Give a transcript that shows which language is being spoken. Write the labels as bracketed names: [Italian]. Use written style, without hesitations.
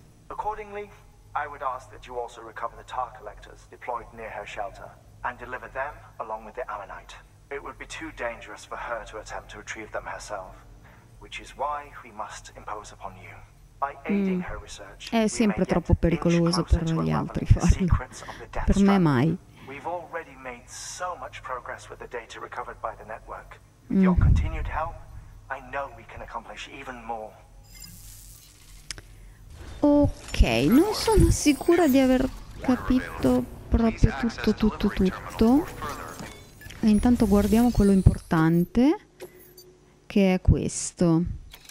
[English] Accordingly, I would ask that you also recover the tar collectors deployed near her shelter and deliver them along with the ammonite. It would be too dangerous for her to attempt to retrieve them herself, which is why we must impose upon you. By aiding her research, [Italian] è sempre troppo pericoloso per gli altri farlo. Per me mai. [English] We've already made so much progress with the data recovered by the network. With your continued help, I know we can accomplish even more. [Italian] Ok, non sono sicura di aver capito proprio tutto, tutto, tutto. E intanto guardiamo quello importante, che è questo.